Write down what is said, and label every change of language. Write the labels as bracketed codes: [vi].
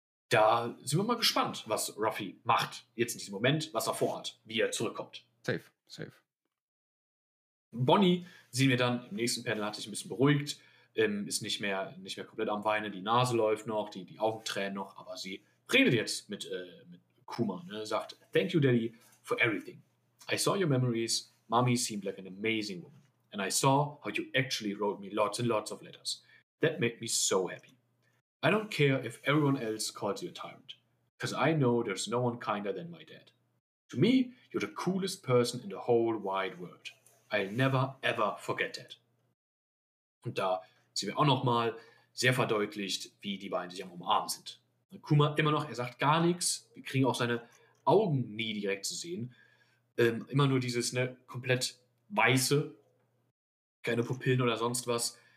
[de] Da sind wir mal gespannt, was Ruffy macht jetzt in diesem Moment, was er vorhat, wie er zurückkommt. [en] Safe. [de] Bonnie sehen wir dann im nächsten Panel, hat sich ein bisschen beruhigt, ist nicht mehr komplett am Weinen, die Nase läuft noch, die Augen tränen noch, aber sie redet jetzt mit Kuma, ne? Sagt, [en] thank you, Daddy, for everything. I saw your memories, Mommy seemed like an amazing woman, and I saw how you actually wrote me lots and lots of letters. That made me so happy. I don't care if everyone else calls you a tyrant, because I know there's no one kinder than my dad. To me, you're the coolest person in the whole wide world. I'll never, ever forget that. [de] Und da sehen wir auch nochmal sehr verdeutlicht, wie die beiden sich am Umarmen sind. Und Kuma immer noch, er sagt gar nichts. Wir kriegen auch seine Augen nie direkt zu sehen. Immer nur dieses ne, komplett weiße, keine Pupillen oder sonst was.